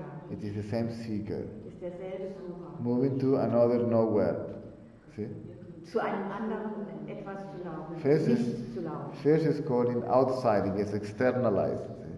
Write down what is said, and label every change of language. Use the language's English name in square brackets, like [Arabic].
[English] It is the same seeker. Moving to another nowhere. See? [German] Zu einem anderen etwas zu laufen, [English] first [German] nicht [English] is, [German] zu laufen. [English] First is called in outside, it gets externalized.